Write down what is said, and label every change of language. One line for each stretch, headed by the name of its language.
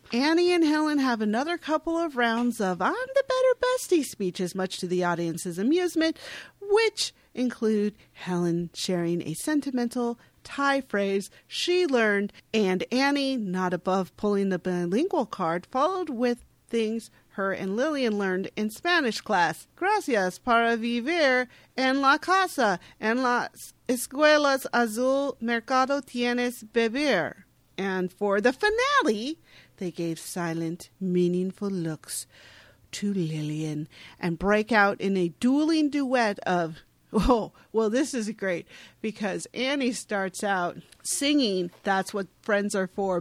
English: Annie and Helen have another couple of rounds of I'm the better bestie speeches, much to the audience's amusement, which include Helen sharing a sentimental tie phrase she learned, and Annie, not above pulling the bilingual card, followed with things her and Lillian learned in Spanish class.
Spanish: Gracias para vivir en la casa, en las escuelas azul mercado tienes beber.
English: And for the finale, they gave silent, meaningful looks to Lillian and break out in a dueling duet of oh, well, this is great because Annie starts out singing That's What Friends Are For.